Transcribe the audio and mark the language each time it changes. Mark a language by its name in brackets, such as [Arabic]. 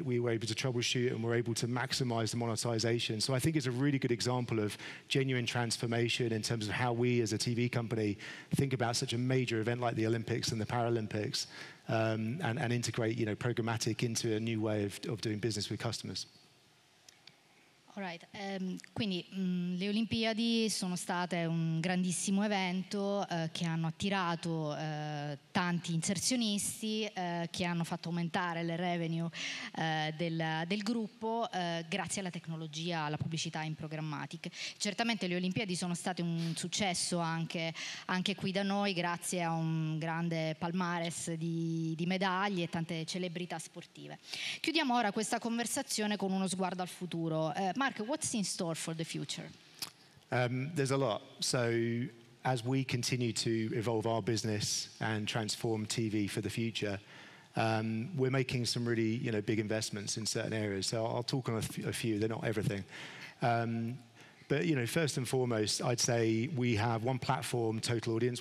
[English] We were able to troubleshoot and were able to maximize the monetization. So I think it's a really good example of genuine transformation in terms of how we as a TV company think about such a major event like the Olympics and the Paralympics and integrate, you know, programmatic into a new way of doing business with customers. Right. [Italian] Quindi le Olimpiadi sono state un grandissimo evento che hanno attirato tanti inserzionisti, che hanno fatto aumentare le revenue del gruppo grazie alla tecnologia, alla pubblicità in programmatic. Certamente le Olimpiadi sono state un successo anche qui da noi grazie a un grande palmares di medaglie e tante celebrità sportive. Chiudiamo ora questa conversazione con uno sguardo al futuro. [English] Mark, what's in store for the future? There's a lot. So as we continue to evolve our business and transform TV for the future, we're making some really, you know, big investments in certain areas. So I'll talk on a few. They're not everything. But, you know, first and foremost, I'd say we have one platform, total audience.